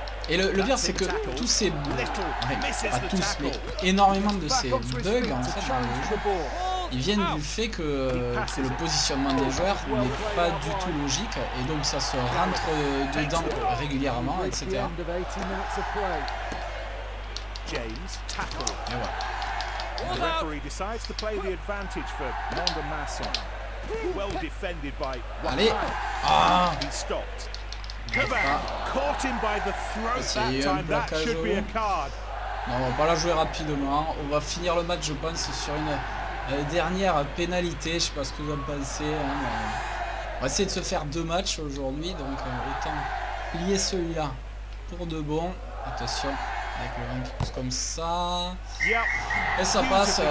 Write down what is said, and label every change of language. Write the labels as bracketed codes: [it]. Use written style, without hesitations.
[fr] Et le pire c'est que tous ces ouais, pas tous mais énormément de ces bugs en fait dans le jeu, ils viennent du fait que le positionnement des joueurs n'est pas du tout logique et donc ça se rentre dedans régulièrement, etc. James tackle. Et voilà. [en] The referee decides to play the advantage for Mondo Masson. Well defended by Wallet. Ah! He stopped. Kevin caught him by the throat that time. That should be a card. [fr] Non, on va pas la jouer rapidement. On va finir le match, je pense, sur une dernière pénalité. Je sais pas ce que vous en pensez. Hein. On va essayer de se faire deux matchs aujourd'hui. Donc, autant lier celui-là pour de bon. Attention. Avec le vent qui pousse comme ça. Et ça passe.